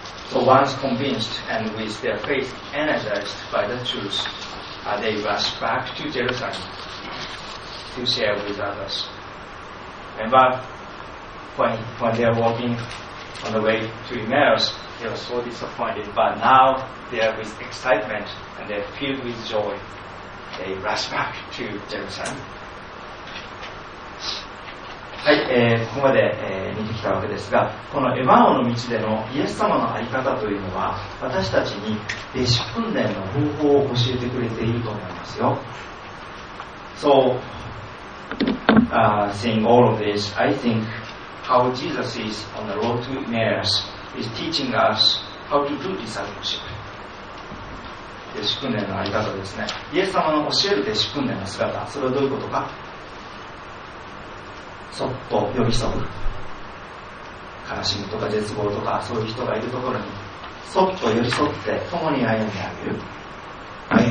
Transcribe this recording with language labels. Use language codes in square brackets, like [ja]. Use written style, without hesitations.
[en] So once convinced and with their faith energized by the truth, they rush back to Jerusalem to share with others. And but when they are walking on the way to Emmaus, they are so disappointed. But now they are with excitement and they are filled with joy. They rush back to Jerusalem. [ja] はい、ここまで、見てきたわけですが、このエマオの道でのイエス様の在り方というのは、私たちに弟子訓練の方法を教えてくれていると思いますよ。 [en] So, seeing all of this, I think how Jesus is on the road to Emmaus is teaching us how to do discipleship. [ja] 弟子訓練のあり方ですね。イエス様の教える弟子訓練の姿、それはどういうことか。そっと寄り添う。悲しみとか絶望とかそういう人がいるところにそっと寄り添って共に歩んであげる。